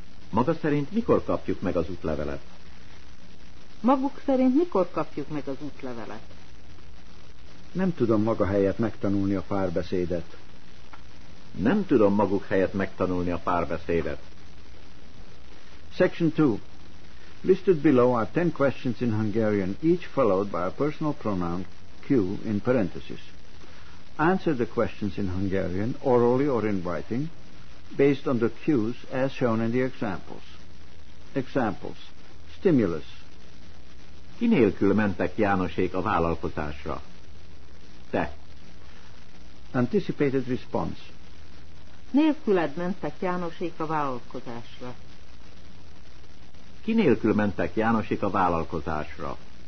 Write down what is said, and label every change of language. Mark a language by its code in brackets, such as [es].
[hu] Maga szerint mikor kapjuk meg az útlevelet? Maguk szerint mikor kapjuk meg az útlevelet? Nem tudom maga helyett megtanulni a párbeszédet. Nem tudom maguk helyett megtanulni a párbeszédet. [en] Section 2. Listed below are 10 questions in Hungarian, each followed by a personal pronoun Q in parentheses. Answer the questions in Hungarian, orally or in writing, based on the cues as shown in the examples. Examples. Stimulus. [hu] Ki nélkül mentek Jánosék a vállalkozásra? Te. [en] Anticipated response. [hu] Nélküled mentek Jánosék a vállalkozásra. Ki nélkül mentek Jánosék a vállalkozásra?